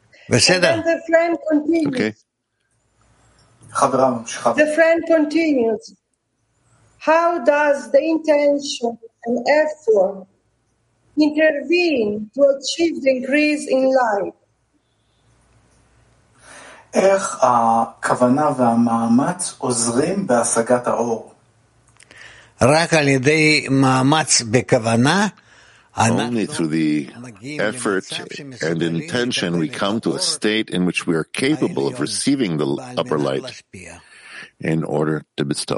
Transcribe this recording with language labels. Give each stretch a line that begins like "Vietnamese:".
English: And then the friend continues. Okay. The friend continues. How does the intention and effort intervene to achieve the increase in light?
Hebrew: איך הכוונה והמאמץ עוזרים בהשגת האור? רק על ידי מאמץ בכוונה,
English: only through the effort and intention we come to a state in which we are capable of receiving the upper light in order to bestow.